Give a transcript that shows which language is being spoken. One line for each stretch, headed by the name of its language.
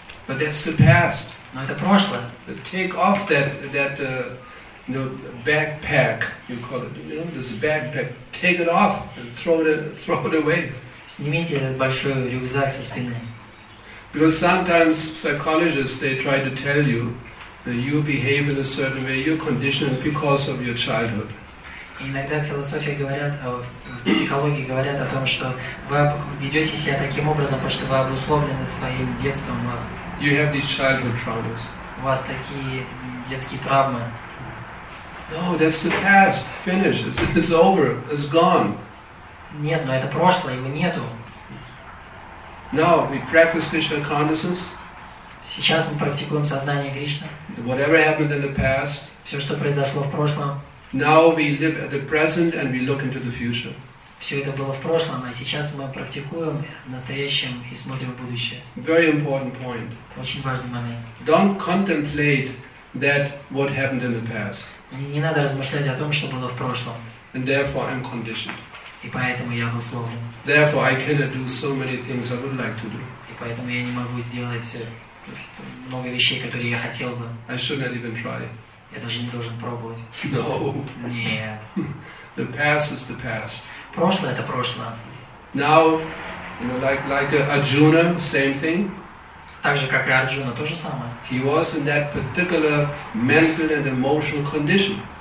English: But that's the past.
Russian: Но это прошлое.
English: Take off that you know, backpack, you call it, you know, this backpack, take it off and throw it away.
Russian: Снимите этот большой рюкзак со спины.
English: Because sometimes psychologists, they try to tell you that you behave in a certain way, you're conditioned because of your childhood.
Russian: Иногда в философии говорят, в психологии говорят о том, что вы ведете себя таким образом, потому что вы обусловлены своим детством.
English: You have these childhood traumas.
Russian: У вас такие детские травмы.
English: No, that's the past. Finish. It's over. It's gone.
Russian: Нет, но это прошлое, его нету.
English: Now we practice Krishna consciousness.
Russian: Сейчас мы практикуем сознание Кришны.
English: Whatever happened in the past.
Russian: Все, что произошло в прошлом.
English: Now we live at the present and we look into the future.
Russian: Все это было в прошлом, а сейчас мы практикуем в настоящем и смотрим в будущее.
English: Very important point.
Russian: Очень важный момент.
English: Don't contemplate that what happened in the past.
Russian: Не надо размышлять о том, что было в прошлом.
English: And therefore I'm conditioned.
Russian: И поэтому я обусловлен.
English: Therefore I cannot do so many things I would like to do.
Russian: И поэтому я не могу сделать много вещей, которые я хотел бы.
English: I should not even try.
Russian: Я даже не должен пробовать.
English: No.
Russian: Нет.
English: The past is the past.
Russian: Прошлое — это прошлое.
English: Now, you know, like Arjuna, same thing.
Russian: Так же, как и Арджуна, то же самое.
English: He was in that particular mental and emotional condition.